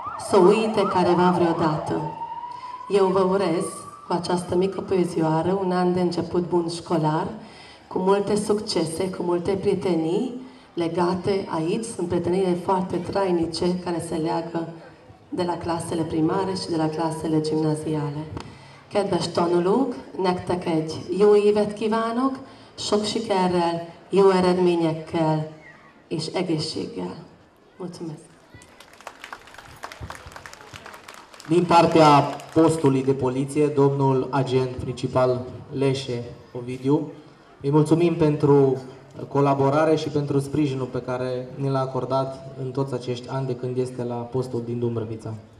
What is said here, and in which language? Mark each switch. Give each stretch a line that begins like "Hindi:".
Romanian: Să uite careva vreodată. Eu vă urez cu această mică poezioară un an de început bun școlar, cu multe succese, cu multe prietenii legate aici. Sunt prietenii foarte trainice care se leagă de la clasele primare și de la clasele gimnaziale.
Hungarian: Kedves tanulók, nektek egy jó évet kívánok, sok sikerrel, jó eredményekkel és egészséggel.
Romanian: Mulțumesc! Din partea postului de poliție, domnul agent principal Leșe Ovidiu, îi mulțumim pentru colaborare și pentru sprijinul pe care ni l-a acordat în toți acești ani de când este la postul din Dumbrăvița.